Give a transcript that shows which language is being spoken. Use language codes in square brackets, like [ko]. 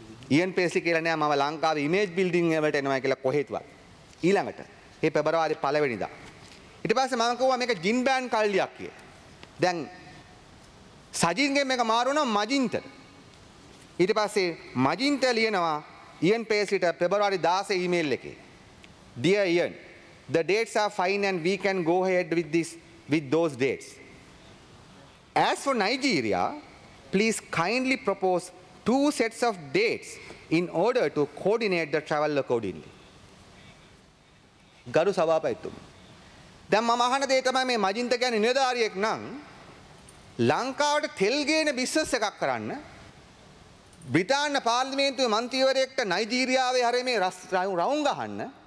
[si] UNPS කියලා නෑ මම ලංකාවේ ඉමේජ් බිල්ඩින් වලට එනවා කියලා කොහෙත්වත්. ඊළඟට මේ පෙබරවාරි පළවෙනිදා ඊට පස්සේ මම කිව්වා මේක ජින් බෑන් කල්ලියක් කියලා. දැන් සජින්ගේ මේක මාරු වුණා මජින්තට. ඊට පස්සේ මජින්ත ලියනවා UNPS-ට පෙබරවාරි 16 ඊමේල් එකේ. [en] Dear Ian, the dates are fine and we can go ahead with this with those dates. As for Nigeria, please kindly propose two sets of dates in order to coordinate the travel accordingly. [si] ගරු සභාපතිතුමනි දැන් මම අහන දේ තමයි මේ මජින්ත කියන්නේ නිලධාරියෙක් නම් ලංකාවට තෙල් ගේන බිස්නස් එකක් කරන්න බ්‍රිතාන්‍ය පාර්ලිමේන්තුවේ මන්ත්‍රීවරයෙක්ට නයිජීරියාවේ හැරෙමේ රවුම් ගහන්න